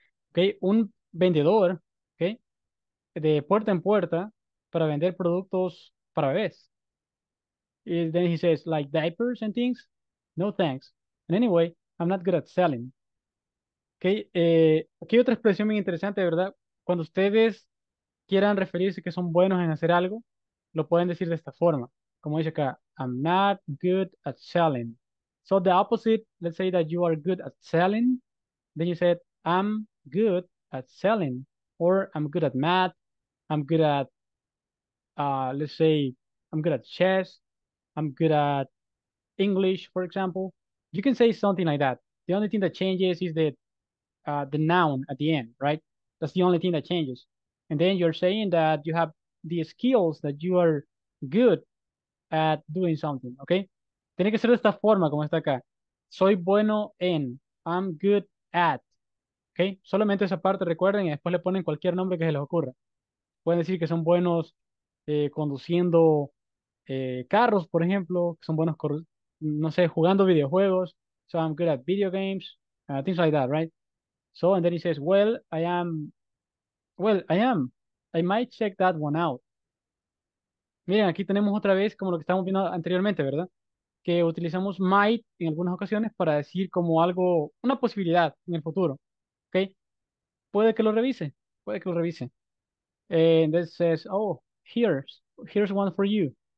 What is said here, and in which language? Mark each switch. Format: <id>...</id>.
<es>Okay, un vendedor, okay, de puerta en puerta para vender productos para bebés.</es> <en>And then he says, like diapers and things? No thanks. And anyway, I'm not good at selling.</en> <es>Okay, aquí hay otra expresión muy interesante, ¿verdad? Cuando ustedes quieran referirse que son buenos en hacer algo, lo pueden decir de esta forma, como dice acá,</es> <en>I'm not good at selling. So the opposite, let's say that you are good at selling, then you said, I'm good at selling, or I'm good at math, I'm good at, let's say, I'm good at chess, I'm good at English, for example. You can say something like that. The only thing that changes is the noun at the end, right? That's the only thing that changes. And then you're saying that you have the skills that you are good at doing something, okay?</en> <es>Tiene que ser de esta forma, como está acá. Soy bueno en,</es> <en>I'm good at,</en> <es>okay? Solamente esa parte recuerden y después le ponen cualquier nombre que se les ocurra. Pueden decir que son buenos conduciendo carros, por ejemplo, que son buenos, no sé, jugando videojuegos.</es> <en>So I'm good at video games, things like that, right? So, and then he says, well, I am. I might check that one out.</en> <es>Miren, aquí tenemos otra vez como lo que estábamos viendo anteriormente, ¿verdad? Que utilizamos might en algunas ocasiones para decir como algo, una posibilidad en el futuro, ¿ok? Puede que lo revise.</es> <en>And this says, oh, here's, Here's one for you.</en>